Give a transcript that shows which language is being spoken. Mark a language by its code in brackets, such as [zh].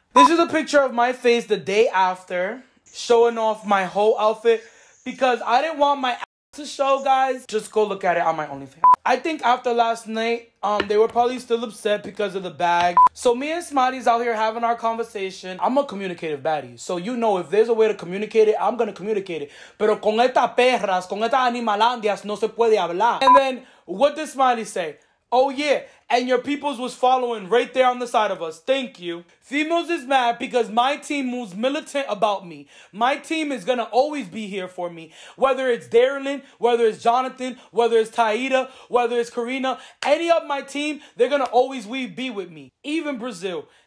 [en] This is a picture of my face the day after, showing off my whole outfit, because I didn't want my ass to show, guys. Just go look at it on my OnlyFans. I think after last night, they were probably still upset because of the bag. So me and Smitty's out here having our conversation. I'm a communicative baddie. So you know, if there's a way to communicate it, I'm going to communicate it. [es] Pero con estas perras, con estas animalandias, no se puede hablar. [en] And then, what did Smitty say? Oh yeah, and your peoples was following right there on the side of us. Thank you. Females is mad because my team moves militant about me. My team is gonna always be here for me. Whether it's Darylin, whether it's Jonathan, whether it's Taida, whether it's Karina, any of my team, they're gonna always be with me. Even Brazil.